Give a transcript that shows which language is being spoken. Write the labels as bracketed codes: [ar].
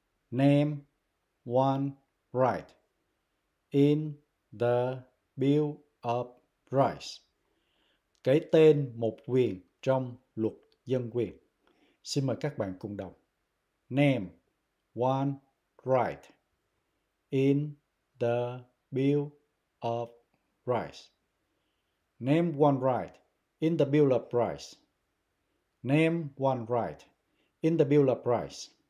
[en] Name one right in the Bill of Rights. [vi] Kể tên một quyền trong luật dân quyền. Xin mời các bạn cùng đọc. [en] Name one right in the Bill of Rights. Name one right in the Bill of Rights. Name one right in the Bill of Rights.